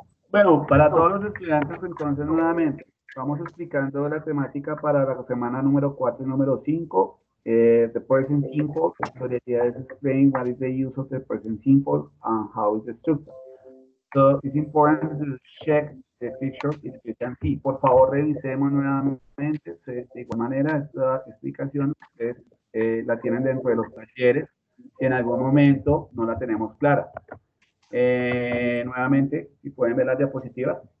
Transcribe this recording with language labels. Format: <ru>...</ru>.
<es>Bueno, para todos los estudiantes, entonces nuevamente, vamos explicando la temática para la semana número 4 y número 5.</es> <en>The present simple, tutorial is explained what is the use of the present simple and how is the structure. So it's important to check the picture in the present simple.</en> <es>Por favor, revisemos nuevamente. De igual manera, esta explicación es, la tienen dentro de los talleres. En algún momento no la tenemos clara. Nuevamente, si pueden ver las diapositivas.</es>